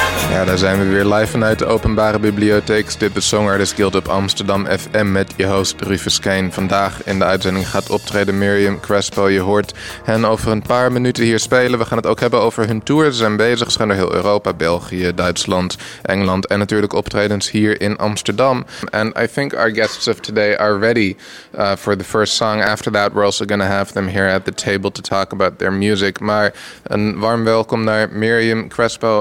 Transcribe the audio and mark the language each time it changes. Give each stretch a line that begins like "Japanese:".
Dutch: Ja, daar zijn we weer live vanuit de Openbare Bibliotheek. Dit is Song Artists Guild op Amsterdam FM met je host Rufus Keijn. Vandaag in de uitzending gaat optreden Miriam Crespo. Je hoort hen over een paar minuten hier spelen. We gaan het ook hebben over hun tour. Ze zijn bezig. Ze gaan door heel Europa, België, Duitsland, Engeland en natuurlijk optredens hier in Amsterdam.
English: And I think our guests of today are ready for the first song. After that we're also going to have them here at the table to talk about their music.
Dutch: Maar een warm welkom naar Miriam Crespo.